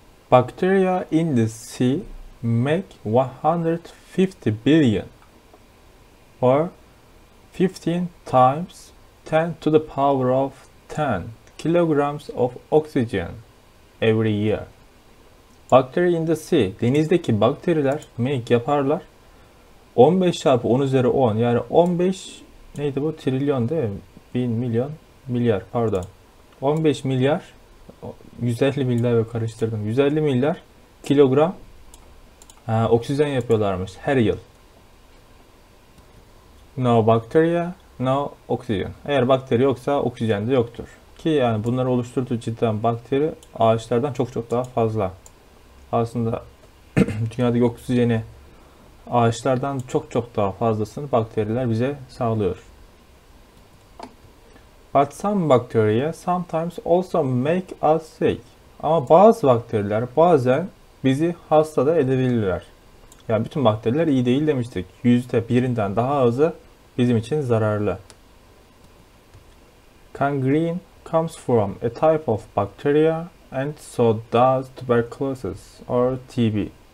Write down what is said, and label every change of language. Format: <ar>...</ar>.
<en>Bacteria in the sea make 150 billion or 15 times 10 to the power of 10 kilograms of oxygen every year. Bacteria in the sea,</en> <tr>denizdeki bakteriler</tr> <en>make</en> <tr>yaparlar. 15 çarpı 10 üzeri 10 yani 15 neydi bu trilyon değil mi? 1000 milyon milyar pardon. 15 milyar 150 milyar ve karıştırdım. 150 milyar kilogram oksijen yapıyorlarmış her yıl.</tr> <en>No bacteria, no oksijen.</en> <tr>Eğer bakteri yoksa oksijen de yoktur. Ki yani bunları oluşturduğu cidden bakteri ağaçlardan çok çok daha fazla. Aslında dünyadaki oksijeni ağaçlardan çok çok daha fazlasını bakteriler bize sağlıyor.</tr> <en>But some bacteria sometimes also make us sick.</en> <tr>Ama bazı bakteriler bazen bizi hasta da edebilirler. Yani bütün bakteriler iyi değil demiştik. Yüzde birinden daha azı bizim için zararlı.</tr> <en>Gangrene comes from a type of bacteria and so does tuberculosis or TB.</en>